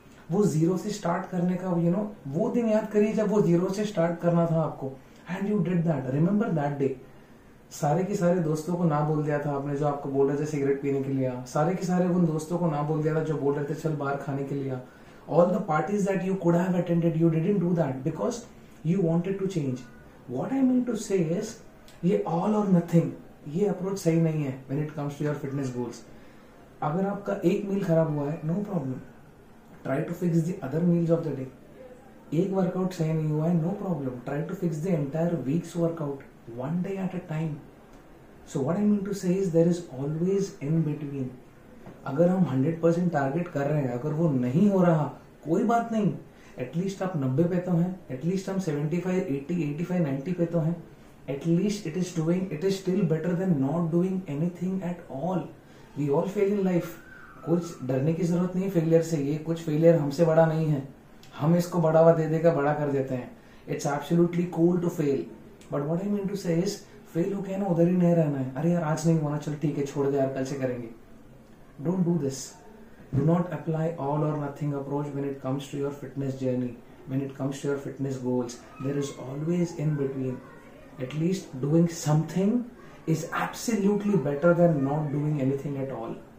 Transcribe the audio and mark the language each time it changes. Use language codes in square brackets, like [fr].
[hi] वो जीरो से स्टार्ट करने का, [en] you know, [hi] वो दिन याद करिए जब वो जीरो से स्टार्ट करना था आपको [en] And you did that, remember that day. [hi] सारे के सारे दोस्तों को ना बोल दिया था आपने जो आपको बोल रहे थे सिगरेट पीने के लिए, सारे के सारे उन दोस्तों को ना बोल दिया था जो बोल रहे थे चल बाहर खाने के लिए, [en] all the parties that you could have attended you didn't do that because you wanted to change. What I mean to say is, ye all or nothing ye approach [hi] sahi nahi hai [en] when it comes to your fitness goals. [hi] Agar aapka ek meal kharab hua hai, [en] no problem, try to fix the other meals of the day. [hi] Ek workout sahi nahi hua hai, [en] no problem, try to fix the entire week's workout one day at a time. So what I mean to say is, there is always in between. [hi] अगर हम 100% target कर रहे हैं, अगर वो नहीं हो रहा कोई बात नहीं, एटलीस्ट आप 90 पे तो हैं, एटलीस्ट हम 75, 80, 85, 90 पे तो हैं, [en] At least it is doing, it is still better than not doing anything at all. We all fail in life, [hi] कुछ डरने की जरूरत नहीं फेलियर से, ये कुछ फेलियर हमसे बड़ा नहीं है, हम इसको बढ़ावा दे देकर बड़ा कर देते हैं. [en] it's absolutely cool to fail, but what I mean to say is, [hi] फेल हो गया ना उधर ही नहीं रहना है, अरे यार आज नहीं होना चल ठीक है छोड़ दे यार कल से करेंगे. [en] Don't do this. Do not apply all or nothing approach when it comes to your fitness journey, when it comes to your fitness goals. There is always in between. At least doing something is absolutely better than not doing anything at all.